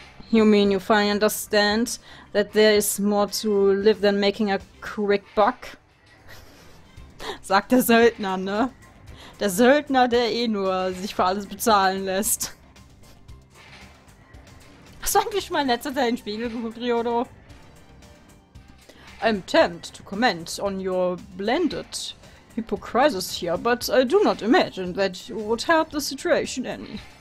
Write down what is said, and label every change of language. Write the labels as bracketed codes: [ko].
[en] You mean you finally understand that there is more to live than making a quick buck? [de] Sagt der Söldner, ne? Der Söldner, der eh nur sich für alles bezahlen lässt. Hast du eigentlich schon mal in letzter Zeit in den Spiegel geguckt, Ryodo? [en] I'm tempted to comment on your blended hypocrisies here, but I do not imagine that you would help the situation any.